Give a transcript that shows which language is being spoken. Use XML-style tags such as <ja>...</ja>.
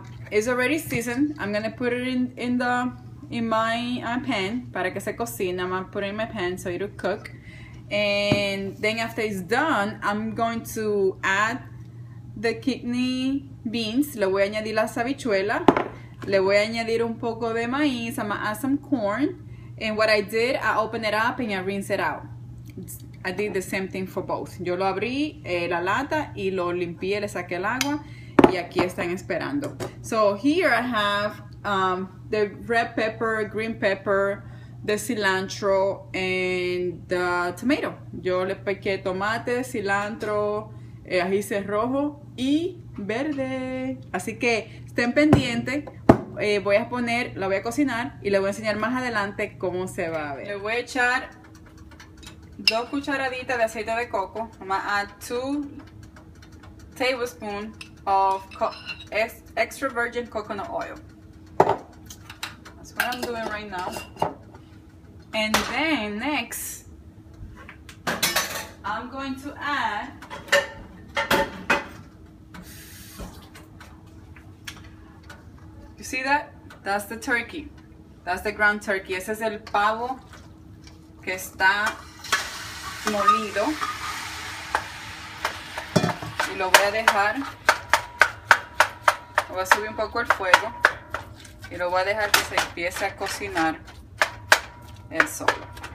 <en>It's already seasoned. I'm gonna put it in my pan</en> <es>para que se cocine.</es> <en>I'm gonna put it in my pan so it'll cook. And then after it's done, I'm going to add the kidney beans.</en> <es>Le voy a añadir la sabichuela. Le voy a añadir un poco de maíz.</es> <en>I'm gonna add some corn. And what I did, I opened it up and I rinsed it out. I did the same thing for both.</en> <es>Yo lo abrí la lata y lo limpié, le saqué el agua y aquí están esperando.</es> <en>So here I have the red pepper, green pepper, the cilantro and the tomato.</en> <es>Yo le piqué tomate, cilantro, ajíes rojo y verde. Así que estén pendientes. La voy a cocinar y le voy a enseñar más adelante cómo se va a Le ver. voy a echar 2 cucharaditas de aceite de coco.</es> <en>I'm gonna add 2 tablespoons of extra virgin coconut oil. That's what I'm doing right now. And then next, I'm going to add 'see that? That's the turkey. That's the ground turkey.</en> <es>Ese es el pavo que está molido y lo voy a dejar, voy a subir un poco el fuego y lo voy a dejar que se empiece a cocinar él solo.</es>